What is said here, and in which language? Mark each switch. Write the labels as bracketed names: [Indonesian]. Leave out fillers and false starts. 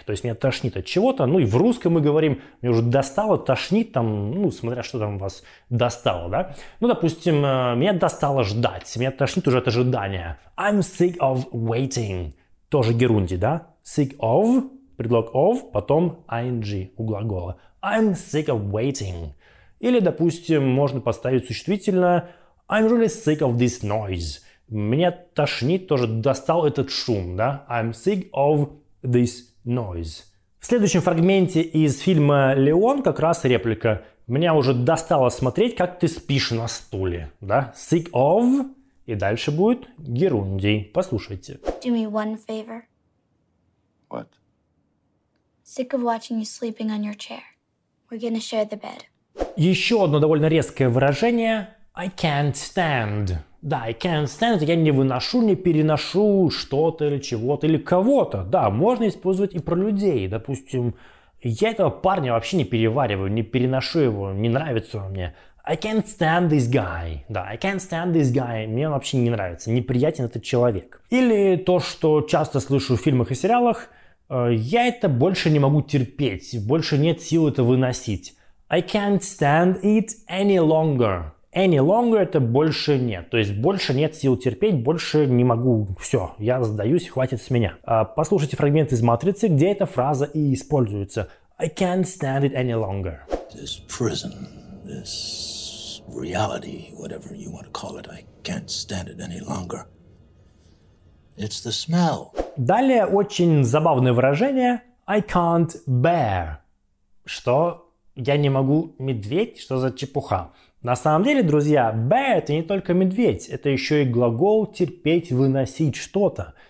[Russian] То есть меня тошнит от чего-то. Ну и в русском мы говорим, мне уже достало, тошнит там, ну, смотря что там вас достало, да. Ну, допустим, меня достало ждать, меня тошнит уже от ожидания. [English] I'm sick of waiting. [Russian] Тоже герундий, да. [English] Sick of, [Russian] предлог of, потом ing у глагола. [English] I'm sick of waiting. [Russian] Или, допустим, можно поставить существительное [English] I'm really sick of this noise. [Russian] Меня тошнит, тоже достал этот шум, да? [English] I'm sick of this noise. [Russian] В следующем фрагменте из фильма «Леон» как раз реплика. Меня уже достало смотреть, как ты спишь на стуле, да? [English] Sick of. [Russian] И дальше будет герундий. Послушайте. [English] Do me one favor. What? Sick of watching you sleeping on your chair. We're gonna share the bed. [Russian] Еще одно довольно резкое выражение [English] I can't stand. [Russian] Да, [English] I can't stand, [Russian] я не выношу, не переношу что-то или чего-то или кого-то. Да, можно использовать и про людей. Допустим, я этого парня вообще не перевариваю, не переношу его, не нравится он мне. [English] I can't stand this guy. Да, I can't stand this guy. [Russian] Мне он вообще не нравится, неприятен этот человек. Или то, что часто слышу в фильмах и сериалах, я это больше не могу терпеть, больше нет сил это выносить. [English] I can't stand it any longer. Any longer [Russian] – это больше нет. То есть больше нет сил терпеть, больше не могу. Все, я сдаюсь, хватит с меня. Послушайте фрагмент из «Матрицы», где эта фраза и используется. [English] I can't stand it any longer. This prison, this reality, whatever you want to call it, I can't stand it any longer. It's the smell. [Russian] Далее очень забавное выражение. [English] I can't bear. [Russian] Что? Я не могу медведь? Что за чепуха? На самом деле, друзья, bear – это не только медведь, это еще и глагол терпеть, выносить что-то.